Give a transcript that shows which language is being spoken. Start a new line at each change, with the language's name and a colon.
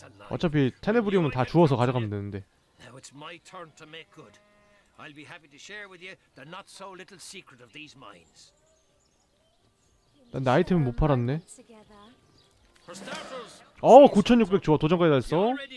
Korean: 어차피 테네브리움은 다 주워서 가져가면 되는데.
English: Now it's my turn to make good. I'll be happy to share with you the not so little secret of these mines.
Korean: 난 아이템을 못 팔았네.
English: For starters,
Korean: 어, 9600 좋아. 도전까지 다 했어.